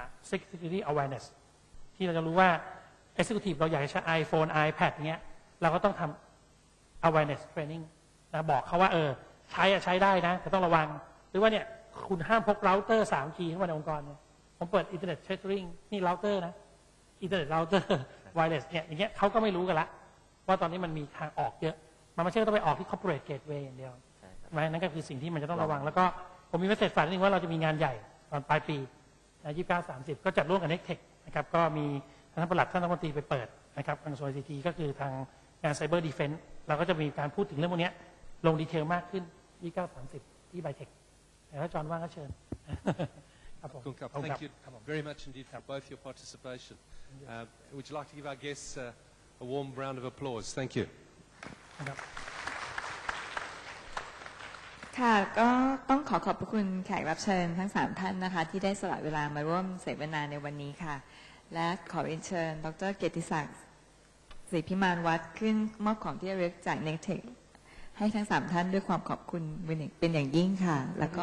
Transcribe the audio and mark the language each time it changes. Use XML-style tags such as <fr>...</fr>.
<th>security awareness ที่เราจะรู้ว่า executive เราอยากใช้ iPhone iPad เงี้ยเราก็ต้องทำ awareness training นะบอกเขาว่าใช้อะใช้ได้นะแต่ต้องระวังหรือว่าเนี่ยคุณห้ามพกเราเตอร์ 3G เข้ามาในองค์กรผมเปิด internet catering นี่เราเตอร์นะ internet router wireless เนี่ยอย่างเงี้ยเขาก็ไม่รู้กันละว่าตอนนี้มันมีทางออกเยอะมันไม่ใช่ต้องไปออกที่ corporate gateway อย่างเดียวใช่นั่นก็คือสิ่งที่มันจะต้องระวังแล้วก็ผมมีเมสเซจฝากนิดนึงว่าเราจะมีงานใหญ่ตอนปลายปี 29-30ก็จัดร่วมกับ Nextech นะครับก็มีท่านปลัดท่านรัฐมนตรีไปเปิดนะครับทางส่วน ICT ก็คือทางงาน Cyber Defense เราก็จะมีการพูดถึงเรื่องพวกนี้ลงดีเทลมากขึ้น29-30ที่ Bytech แต่ถ้าจอนว่างก็เชิญครับผม ขอบคุณครับ</th> <en>Thank you very much indeed for both your participation would you like to give our guests a warm round of applause thank you</en> <th>ครับ ค่ะก็ต้องขอขอบคุณแขกรับเชิญทั้ง3ท่านนะคะที่ได้สละเวลามาร่วมเสวนาในวันนี้ค่ะและขอเชิญดร.เกียรติศักดิ์ศรีพิมานวัฒน์ขึ้นมอบของที่ระลึกจาก Nextech ให้ทั้ง3ท่านด้วยความขอบคุณเป็นอย่างยิ่งค่ะแล้วก</th>